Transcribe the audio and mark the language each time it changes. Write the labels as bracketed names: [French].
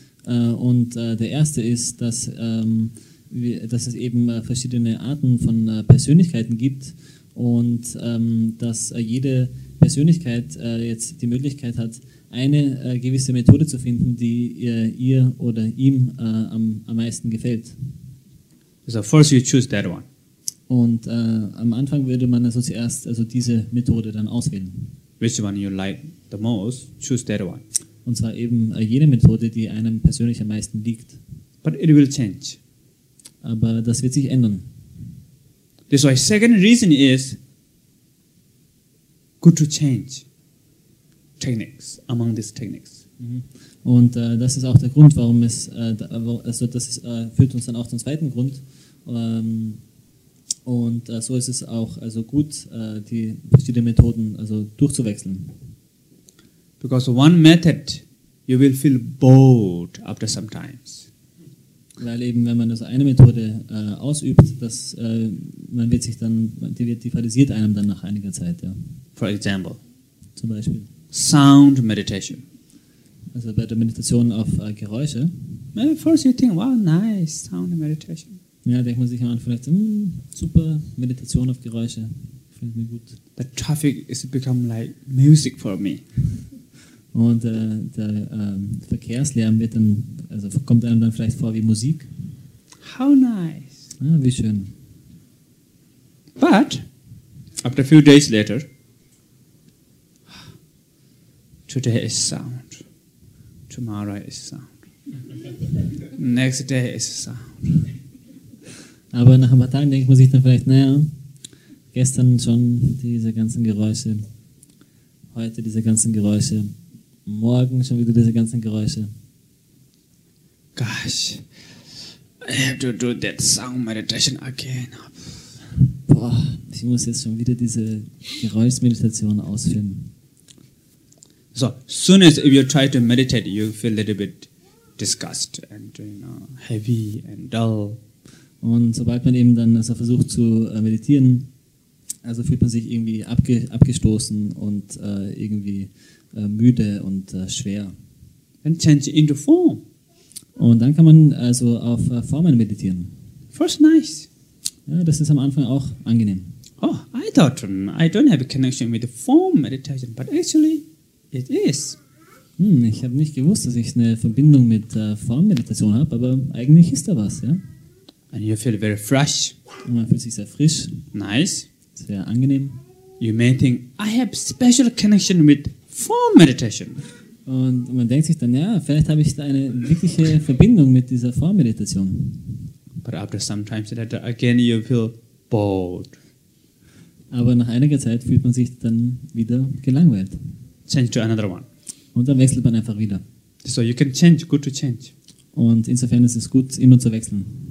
[German] Und der erste ist, dass, dass es eben verschiedene Arten von Persönlichkeiten gibt und dass jede Persönlichkeit jetzt die Möglichkeit hat, eine gewisse Methode zu finden, die ihr oder ihm am meisten gefällt. [English] So first you choose that one. [German] Und am Anfang würde man also zuerst also diese Methode dann auswählen. [English] Which one you like the most, choose that one. [German] Und zwar eben jene Methode, die einem persönlich am meisten liegt. [English] But it will change. [German] Aber das wird sich ändern. [English] This why second reason is good to change techniques among these techniques. [German] Und das ist auch der Grund, warum es also das ist, führt uns dann auch zum zweiten Grund. Und so ist es auch also gut, die verschiedenen Methoden also durchzuwechseln. [English] Because one method, you will feel bored after some times. [German] Weil eben, wenn man also eine Methode ausübt, dass man wird sich dann, die fatalisiert einem dann nach einiger Zeit, ja. [English] For example. [German] Zum Beispiel. [English] Sound meditation. [German] Also bei der Meditation auf Geräusche. [English] Maybe first you think, wow, nice, sound meditation. [German] Ja, denkt man sich an, vielleicht, super, Meditation auf Geräusche. Fällt mir gut. [English] The traffic is become like music for me. [German] Und der Verkehrslärm wird dann, also kommt einem dann vielleicht vor wie Musik. [English] How nice. [German] Ah, wie schön. [English] But, after a few days later, today is sound, tomorrow is sound, next day is sound. [German] Aber nach ein paar Tagen denke ich, muss ich dann vielleicht, naja, gestern schon diese ganzen Geräusche, heute diese ganzen Geräusche, morgen schon wieder diese ganzen Geräusche. [English] Gosh, I have to do that sound meditation again. [German] Boah, ich muss jetzt schon wieder diese Geräuschmeditation ausführen. [English] So, soon as you try to meditate, you feel a little bit disgust and you know, heavy and dull. [German] Und sobald man eben dann also versucht zu meditieren, also fühlt man sich irgendwie abgestoßen und irgendwie müde und schwer. [English] And change into form. [German] Und dann kann man also auf Formen meditieren. [English] First nice. [German] Ja, das ist am Anfang auch angenehm. [English] Oh, I thought I don't have a connection with the form meditation, but actually it is. [German] Ich habe nicht gewusst, dass ich eine Verbindung mit Formmeditation habe, aber eigentlich ist da was, ja. [English] And you feel very fresh. [German] Und man fühlt sich sehr frisch. [English] Nice. [German] Sehr angenehm. [English] You may think, I have special connection with form meditation. [German] Und man denkt sich dann, ja, vielleicht habe ich da eine wirkliche Verbindung mit dieser Form-Meditation. [English] But after some time later, again you feel bored. [German] Aber nach einiger Zeit fühlt man sich dann wieder gelangweilt. [English] Change to another one. [German] Und dann wechselt man einfach wieder. [English] So you can change, good to change. [German] Und insofern ist es gut, immer zu wechseln.